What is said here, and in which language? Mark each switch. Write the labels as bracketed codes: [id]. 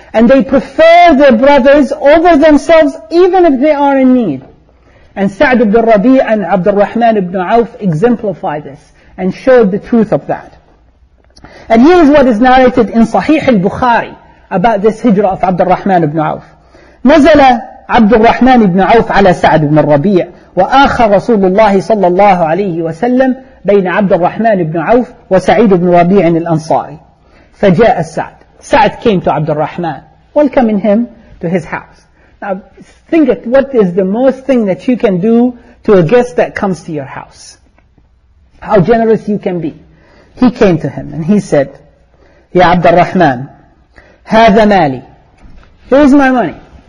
[en] And they prefer their brothers over themselves, even if they are in need. And Sa'd ibn Rabi' and Abdul Rahman ibn Auf exemplify this and showed the truth of that. And here is what is narrated in Sahih al-Bukhari about this hijrah of Abdul Rahman ibn Auf. [ar] نزل عبد الرحمن بن عوف على سعد بن الربيع وآخى رسول الله صلى الله عليه وسلم بين عبد الرحمن بن عوف وسعيد بن ربيع الأنصاري. فجاء السعد. [en] سعد came to عبد الرحمن. Welcome him to his house. Now think of what is the most thing that you can do to a guest that comes to your house. How generous you can be. He came to him and he said, [ar] يا عبد الرحمن هذا مالي. [en] Here's my money.